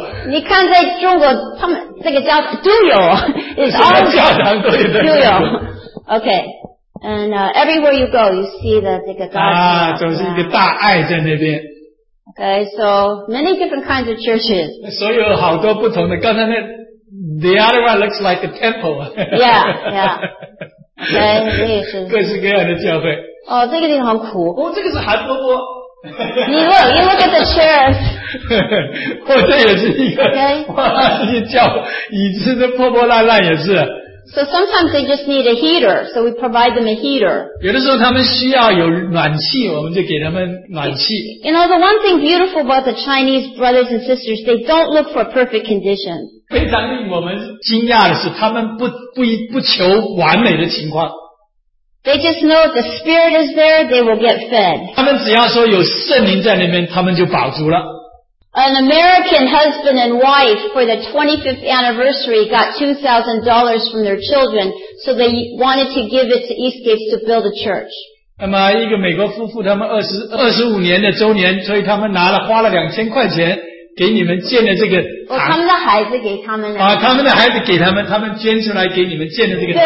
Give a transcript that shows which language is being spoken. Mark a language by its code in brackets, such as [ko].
[zh] 你看在中国他们这个教堂都有。什么教堂都有。都有。 [en] Okay. And everywhere you go, you see that [zh] 这个教堂。总是一个大爱在那边。 [en] Okay, so many different kinds of churches. [zh] 所有好多不同的。刚才那 [en] ,the other one looks like a temple. Yeah, yeah. [zh] 对，这也是。各式各样的教会。哦，这个地方很苦。哦，这个是韩伯伯。 [en] You look at the chairs. [zh] 哦，这也是一个。 [en] Okay. [zh] 哇，这些叫椅子都破破烂烂也是。 [en] So sometimes they just need a heater, so we provide them a heater. [zh] 有的时候他们需要有暖气，我们就给他们暖气。 [en] You know, the one thing beautiful about the Chinese brothers and sisters, they don't look for perfect conditions. [zh] 非常令我们惊讶的是，他们不求完美的情况。 [en] They just know if the Spirit is there, they will get fed. [zh] 他们只要说有圣灵在那边，他们就饱足了。 [en] An American husband and wife for the 25th anniversary got $2,000 from their children, so they wanted to give it to Eastgate to build a church. [zh] 那么一个美国夫妇，他们25年的周年，所以他们花了2000块钱给你们建了这个。他们的孩子给他们。他们的孩子给他们，他们捐出来给你们建了这个堂。